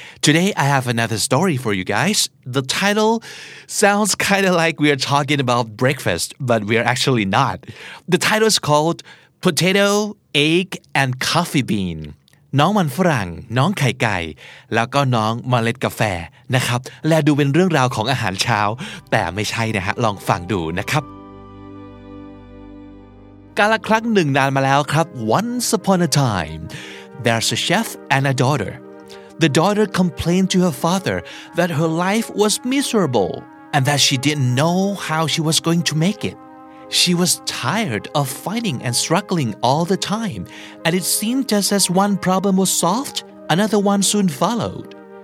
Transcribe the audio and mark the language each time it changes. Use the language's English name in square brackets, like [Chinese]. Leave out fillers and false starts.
[English] Today, I have another story for you guys. The title sounds kind of like we are talking about breakfast, but we are actually not. The title is called Potato, Egg, and Coffee Bean. [Thai] น้องมันฝรั่งน้องไข่ไก่แล้วก็น้องเมล็ดกาแฟนะครับและดูเป็นเรื่องราวของอาหารเช้าแต่ไม่ใช่นะฮะลองฟังดูนะครับกาลครั้งหนึ่งนานมาแล้วครับ [English] Once upon a time there's a chef and a daughter. The daughter complained to her father that her life was miserable and that she didn't know how she was going to make it. She was tired of fighting and struggling all the time, and it seemed just as one problem was solved, another one soon followed.